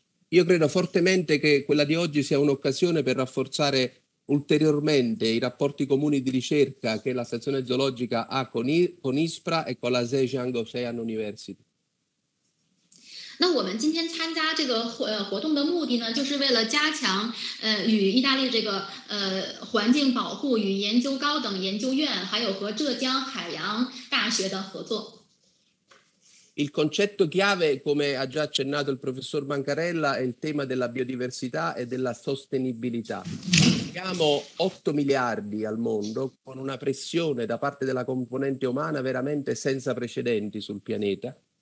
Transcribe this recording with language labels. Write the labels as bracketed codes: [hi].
[it] Io credo fortemente che quella di oggi sia un'occasione per rafforzare ulteriormente i rapporti comuni di ricerca che la stazione zoologica ha con ISPRA e con la Zhejiang Ocean University. [zh] 那我们今天参加这个活动的目的呢，就是为了加强与意大利这个环境保护与研究高等研究院，还有和浙江海洋大学的合作。 [it] Il concetto chiave, come ha già accennato il professor Mancarella, è il tema della biodiversità e della sostenibilità. Siamo 8 miliardi al mondo, con una pressione da parte della componente umana veramente senza precedenti sul pianeta.